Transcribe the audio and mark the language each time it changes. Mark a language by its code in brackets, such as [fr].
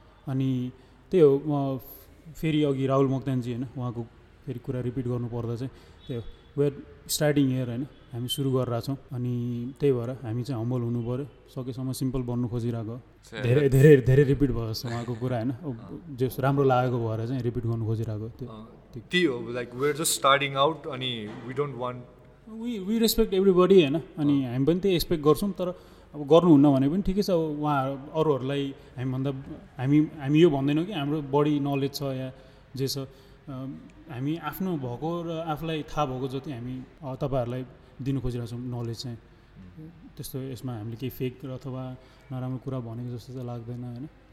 [ne] अनि त्यही हो, फेरि अघि राहुल मक्तानजी होइन, उहाँको फेरि कुरा रिपिट गर्नुपर्दा चाहिँ त्यही हो, [en] we are starting year [ne] होइन हामी सुरु गरिरहेछौँ अनि त्यही भएर हामी चाहिँ हम्बल हुनु पऱ्यो सकेसम्म सिम्पल बन्नु खोजिरहेको धेरै धेरै धेरै रिपिट भयो जस्तो उहाँको कुरा होइन जे राम्रो लागेको भएर चाहिँ रिपिट गर्नु खोजिरहेको त्यो त्यही हो [en] like we are just starting out अनि we don't want we respect everybody [ne] होइन अनि हामी पनि त्यही एक्सपेक्ट गर्छौँ तर अब गर्नुहुन्न भने पनि ठिकै छ उहाँ अरूहरूलाई हामीभन्दा हामी यो भन्दैनौँ कि हाम्रो बढी नलेज छ या जे छ हामी आफ्नो भएको र आफूलाई थाहा भएको जति हामी तपाईँहरूलाई दिनु खोजिरहेछौँ नलेज चाहिँ त्यस्तो यसमा हामीले केही फेक र अथवा नराम्रो कुरा भनेको जस्तो चाहिँ लाग्दैन होइन